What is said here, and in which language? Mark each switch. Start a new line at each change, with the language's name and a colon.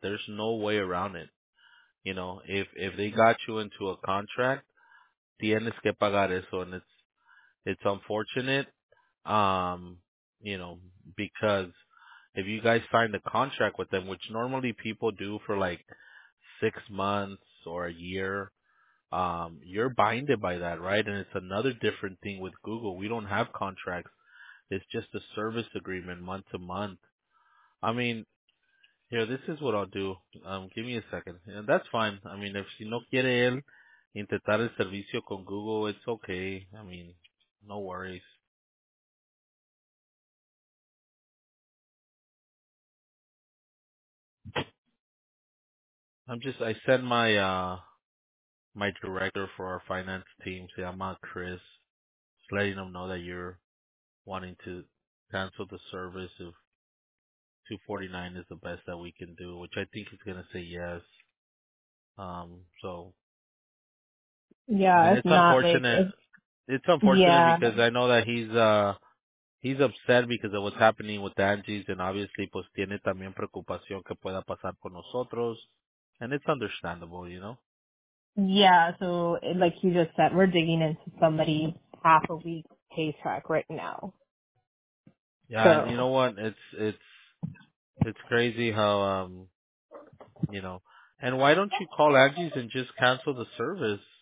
English: There's no way around it. You know, if they got you into a contract,
Spanish: tienes que pagar eso,
English: and it's unfortunate, you know, because if you guys sign the contract with them, which normally people do for like 6 months or a year, you're binded by that, right? And it's another different thing with Google. We don't have contracts. It's just a service agreement month to month. I mean, here, this is what I'll do. Give me a second. And that's fine.
Spanish: I mean, if si no quiere él intentar el servicio con Google,
English: it's okay. I mean, no worries. I sent my director for our finance team,
Spanish: se llama
English: Chris, just letting him know that you're wanting to cancel the service if $249 is the best that we can do, which I think he's going to say yes. So. Yeah, it's not unfortunate. Like, it's unfortunate, yeah. Because I know that he's upset because of what's happening with Angie's, and obviously,
Spanish: pues tiene también preocupación que pueda pasar con nosotros.
English: And it's understandable, you know? Yeah, so like you just said, we're digging into somebody's half a week paycheck right now. Yeah, so. You know what? It's crazy how, you know, and why don't you call Angie's and just cancel the service?